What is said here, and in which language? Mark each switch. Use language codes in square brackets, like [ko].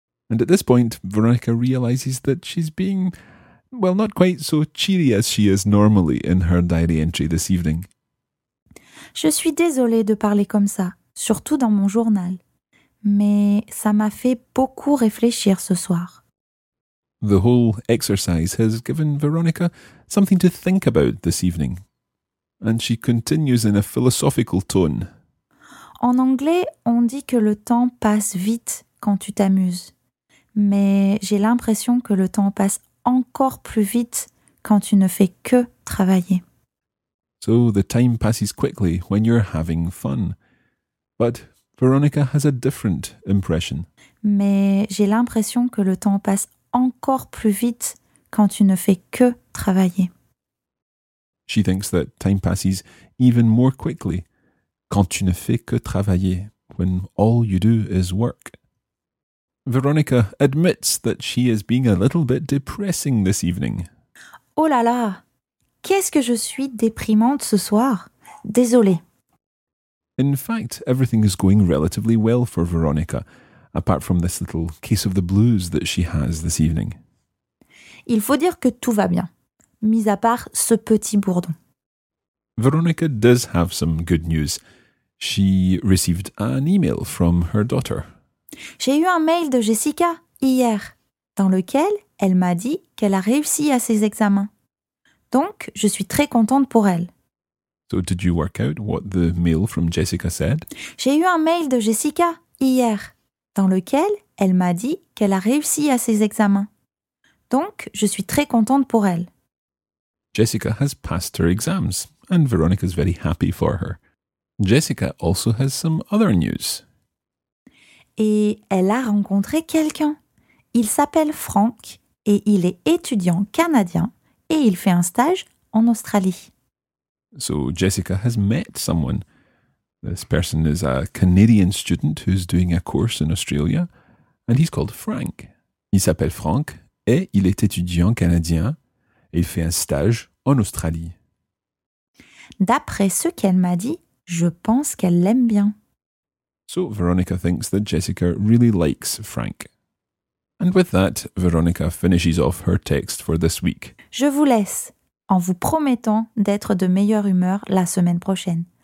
[en] And at this point, Veronica realizes that she's being, well, not quite so cheery as she is normally in her diary entry this evening. [fr] Je suis désolée de parler comme ça, surtout dans mon journal. Mais ça m'a fait beaucoup réfléchir ce soir. [en] The whole exercise has given Veronica something to think about this evening. And she continues in a philosophical tone. [fr] En anglais, on dit que le temps passe vite quand tu t'amuses. Mais j'ai l'impression que le temps passe encore plus vite quand tu ne fais que travailler. [en] So the time passes quickly when you're having fun. But Veronica has a different impression. [fr] Mais j'ai l'impression que le temps passe encore plus vite quand tu ne fais que travailler. [en] She thinks that time passes even more quickly [fr] quand tu ne fais que travailler, [en] when all you do is work. Veronica admits that she is being a little bit depressing this evening. [fr] Oh là là, qu'est-ce que je suis déprimante ce soir. Désolée. [en] In fact, everything is going relatively well for Veronica, apart from this little case of the blues that she has this evening. [fr] Il faut dire que tout va bien, mis à part ce petit bourdon. [en] Veronica does have some good news. She received an email from her daughter. [fr] J'ai eu un mail de Jessica hier, dans lequel elle m'a dit qu'elle a réussi à ses examens. Donc, je suis très contente pour elle. [en] So did you work out what the mail from Jessica said? [fr] J'ai eu un mail de Jessica hier, dans lequel elle m'a dit qu'elle a réussi à ses examens. Donc, je suis très contente pour elle. [en] Jessica has passed her exams, and Veronica is very happy for her. Jessica also has some other news. [fr] Et elle a rencontré quelqu'un. Il s'appelle Frank et il est étudiant canadien et il fait un stage en Australie. [en] So Jessica has met someone. This person is a Canadian student who's doing a course in Australia and he's called Frank. [fr] Il s'appelle Frank et il est étudiant canadien et il fait un stage en Australie. D'après ce qu'elle m'a dit, je pense qu'elle l'aime bien. [en] So Veronica thinks that Jessica really likes Frank. And with that, Veronica finishes off her text for this week. [fr] Je vous laisse, en vous promettant d'être de meilleure humeur la semaine prochaine.